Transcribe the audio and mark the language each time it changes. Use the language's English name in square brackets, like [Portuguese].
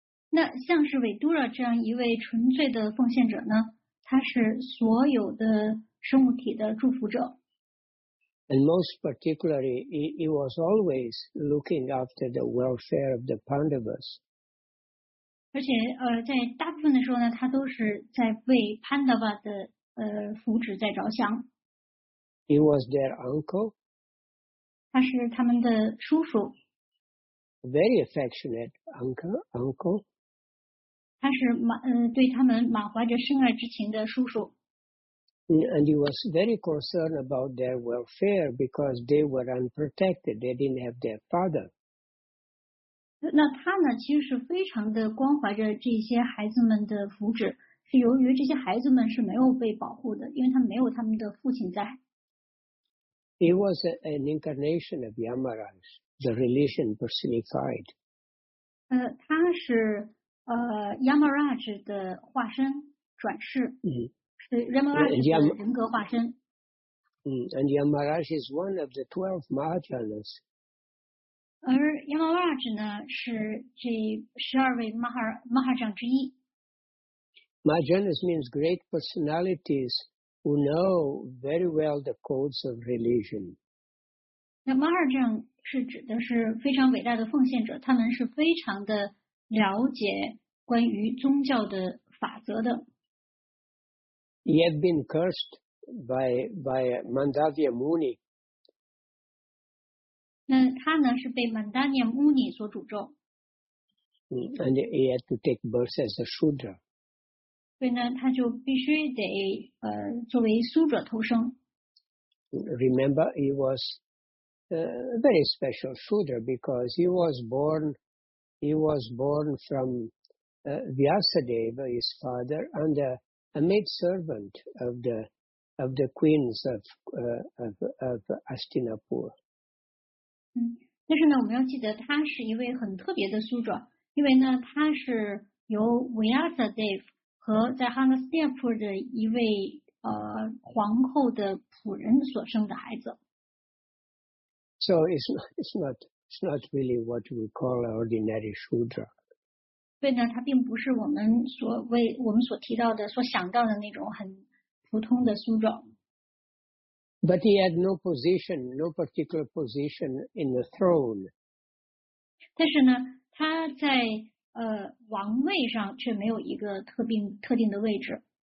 [Chinese] 那像是 Vidura 这样一位纯粹的奉献者呢，他是所有的生物体的祝福者。 [English] And most particularly, he was always looking after the welfare of the Pandavas. [Chinese] 而且在大部分的时候呢，他都是在为 Pandava 的福祉在着想。 [English] He was their uncle. [Chinese] 他是他们的叔叔。 [English] Very affectionate uncle. [Chinese] 他是对他们满怀着深爱之情的叔叔。 [English] And he was very concerned about their welfare because they were unprotected. They didn't have their father. [Chinese] 那他呢，其实是非常的关怀着这些孩子们的福祉，是由于这些孩子们是没有被保护的，因为他们没有他们的父亲在。 [English] He was an incarnation of Yamaraj, the religion personified. [Chinese] 他是Yamaraj 的化身转世。是 Yamaraj 的人格化身。 [English] And Yamaraj is one of the 12 Mahajanas. [Chinese] 而 Yamaraj 呢是这12位 Mahajan 之一。 [English] Mahajanas means great personalities. Who know very well the codes of religion. [Chinese] 那 Mahajan 是指的是非常伟大的奉献者，他们是非常的了解关于宗教的法则的。 [English] He had been cursed by Mandavya Muni. [Chinese] 那他呢是被 Mandavya Muni 所诅咒。 [English] And he had to take birth as a Shudra. [Chinese] 所以呢，他就必须得作为苏者投生。 [English] Remember, he was a very special Shudra because he was born from Vyasadeva, his father, and a maid servant of the queens of Astinapur. [Chinese] 但是呢，我们要记得他是一位很特别的苏者，因为呢，他是由 Vyasadeva。和在哈纳斯涅普的一位皇后的仆人所生的孩子。 [English] So it's not really what we call an ordinary Shudra. [Chinese] 对呢，它并不是我们所为我们所提到的、所想到的那种很普通的 Shudra。 [English] But he had no position, no particular position in the throne. [Chinese] 但是呢，他在王位上却没有一个特定的位置。